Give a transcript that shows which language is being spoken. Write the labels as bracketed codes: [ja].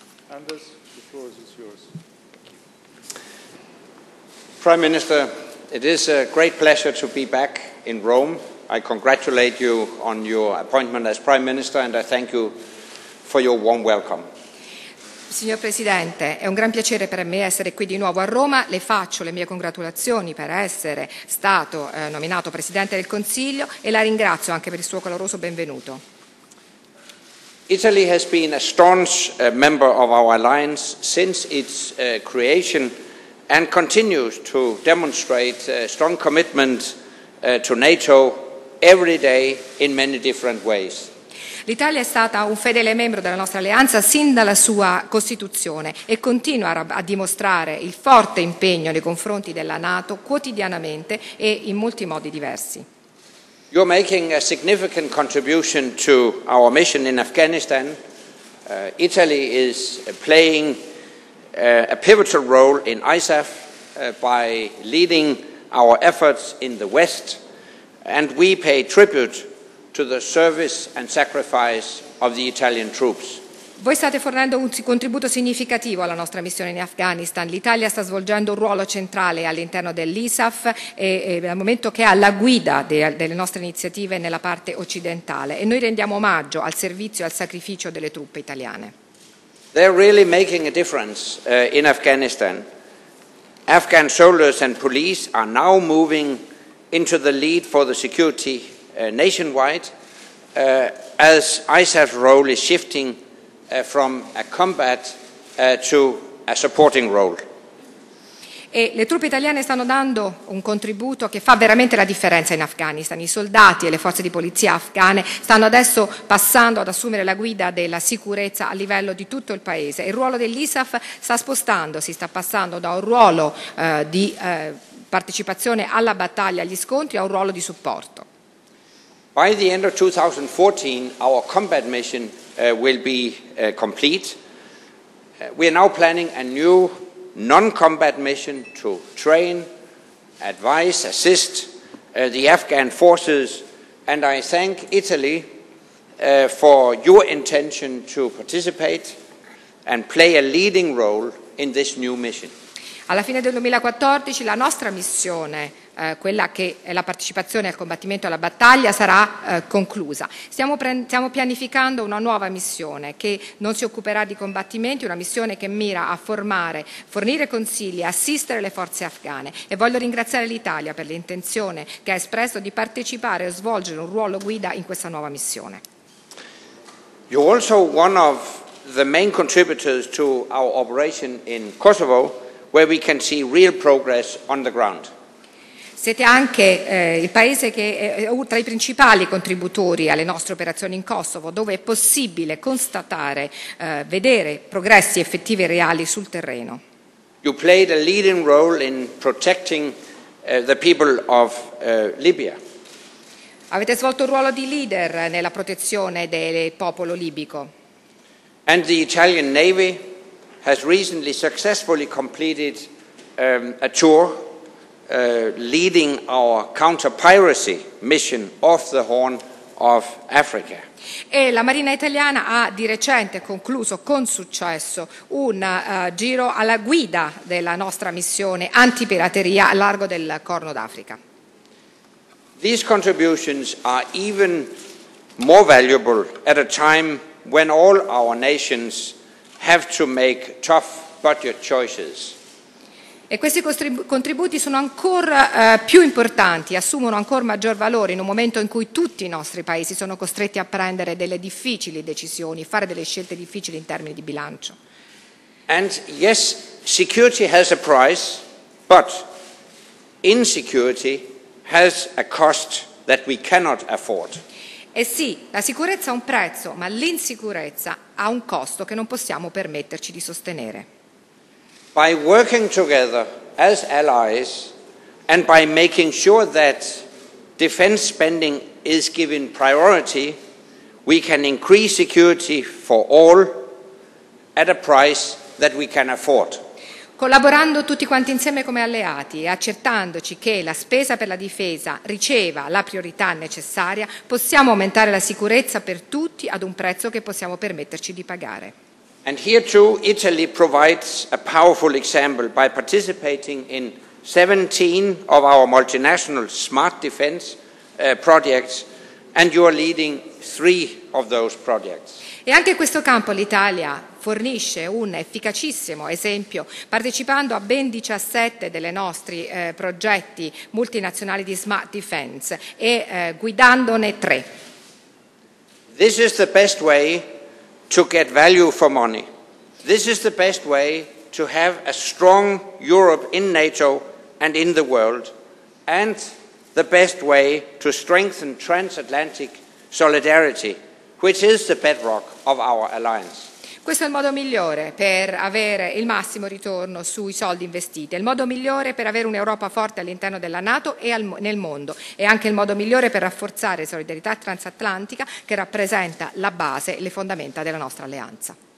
[en] Anders, the floor is yours. Prime Minister, it is a great pleasure to be back in Rome. I congratulate you on your appointment as Prime Minister and I thank you for your warm welcome. [it] Signor Presidente, è un gran piacere per me essere qui di nuovo a Roma. Le faccio le mie congratulazioni per essere stato nominato Presidente del Consiglio e la ringrazio anche per il suo caloroso benvenuto. [en] Italy has been a staunch member of our alliance since its creation and continues to demonstrate strong commitment to NATO every day in many different ways. [it] L'Italia è stata un fedele membro della nostra alleanza sin dalla sua costituzione e continua a dimostrare il forte impegno nei confronti della NATO quotidianamente e in molti modi diversi. [en] You're making a significant contribution to our mission in Afghanistan. Italy is playing a pivotal role in ISAF by leading our efforts in the West, and we pay tribute to the service and sacrifice of the Italian troops. [it] Voi state fornendo un contributo significativo alla nostra missione in Afghanistan. L'Italia sta svolgendo un ruolo centrale all'interno dell'ISAF e dal momento che è alla guida delle nostre iniziative nella parte occidentale. E noi rendiamo omaggio al servizio e al sacrificio delle truppe italiane. [en] They're really making a difference in Afghanistan. Afghan soldiers and police are now moving into the lead for the security nationwide as ISAF's role is shifting from a combat to a supporting role. [it] E le truppe italiane stanno dando un contributo che fa veramente la differenza in Afghanistan. I soldati e le forze di polizia afghane stanno adesso passando ad assumere la guida della sicurezza a livello di tutto il paese. Il ruolo dell'ISAF sta spostandosi, sta passando da un ruolo di partecipazione alla battaglia, agli scontri, a un ruolo di supporto. [en] By the end of 2014, our combat mission will be complete. We are now planning a new non-combat mission to train, advise, assist the Afghan forces. And I thank Italy for your intention to participate and play a leading role in this new mission. [it] Alla fine del 2014 la nostra missione, quella che è la partecipazione al combattimento alla battaglia, sarà conclusa. Stiamo pianificando una nuova missione che non si occuperà di combattimenti, una missione che mira a formare, fornire consigli, assistere le forze afghane. E voglio ringraziare l'Italia per l'intenzione che ha espresso di partecipare e svolgere un ruolo guida in questa nuova missione. [en] You're also one of the main contributors to our operation in Kosovo, where we can see real progress on the ground. [it] Siete anche il paese che è tra i principali contributori alle nostre operazioni in Kosovo, dove è possibile constatare, vedere progressi effettivi e reali sul terreno. [en] You played a leading role in protecting the people of Libya. [it] Avete svolto un ruolo di leader nella protezione del popolo libico. [en] And the Italian Navy has recently successfully completed a tour leading our counter-piracy mission off the Horn of Africa. [it] E la Marina italiana ha di recente concluso con successo un giro alla guida della nostra missione antipirateria a largo del Corno d'Africa. [en] These contributions are even more valuable at a time when all our nations have to make tough budget choices. [it] E questi contributi sono ancora più importanti, assumono ancora maggior valore in un momento in cui tutti i nostri paesi sono costretti a prendere delle difficili decisioni, fare delle scelte difficili in termini di bilancio. [en] And yes, security has a price, but insecurity has a cost that we cannot afford. [it] E sì, la sicurezza ha un prezzo, ma l'insicurezza ha un costo che non possiamo permetterci di sostenere. [en] By working together as allies and by making sure that defense spending is given priority, we can increase security for all at a price that we can afford. [it] Collaborando tutti quanti insieme come alleati e accertandoci che la spesa per la difesa riceva la priorità necessaria, possiamo aumentare la sicurezza per tutti ad un prezzo che possiamo permetterci di pagare. [en] And here too Italy provides a powerful example by participating in 17 of our multinational smart defense projects, and you are leading 3 of those projects. [it] E anche in questo campo l'Italia fornisce un efficacissimo esempio, partecipando a ben 17 delle nostri progetti multinazionali di smart defense e guidandone 3. [en] This is the best way to get value for money. This is the best way to have a strong Europe in NATO and in the world, and the best way to strengthen transatlantic solidarity, which is the bedrock of our alliance. [it] Questo è il modo migliore per avere il massimo ritorno sui soldi investiti, il modo migliore per avere un'Europa forte all'interno della NATO e nel mondo, e anche il modo migliore per rafforzare solidarietà transatlantica che rappresenta la base e le fondamenta della nostra alleanza.